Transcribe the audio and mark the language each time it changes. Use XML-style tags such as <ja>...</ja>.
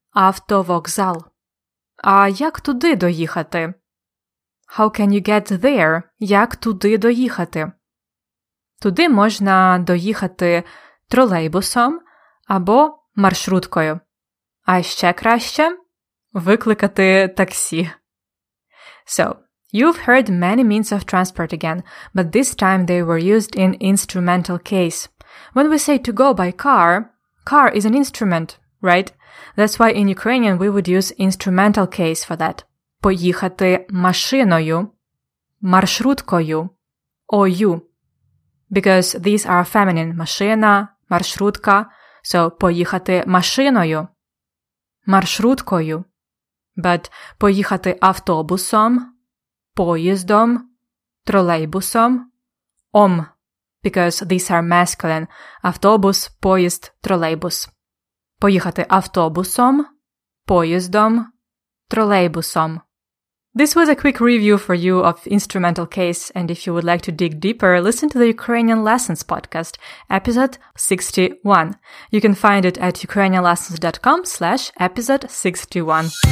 <uk>Автовокзал. А як туди доїхати?</uk> <en>How can you get there?</en> <uk>Як туди доїхати? Туди можна доїхати тролейбусом або маршруткою. А ще краще – викликати таксі.</uk> <en>So, you've heard many means of transport again, but this time they were used in instrumental case. When we say to go by car, car is an instrument, right? That's why in Ukrainian we would use instrumental case for that.</en> <uk>Поїхати машиною, маршруткою, ою.</uk> <en>Because these are feminine, машина, маршрутка, so</en> <uk>поїхати машиною, маршруткою.</uk> <en>But</en> <uk>поїхати автобусом, поїздом, тролейбусом, ом,</uk> <en>because these are masculine.</en> <uk>Автобус, поїзд, тролейбус. Поїхати автобусом, поїздом, тролейбусом.</uk> <en>This was a quick review for you of instrumental case, and if you would like to dig deeper, listen to the Ukrainian Lessons podcast, episode 61. You can find it at ukrainianlessons.com/episode61.</en>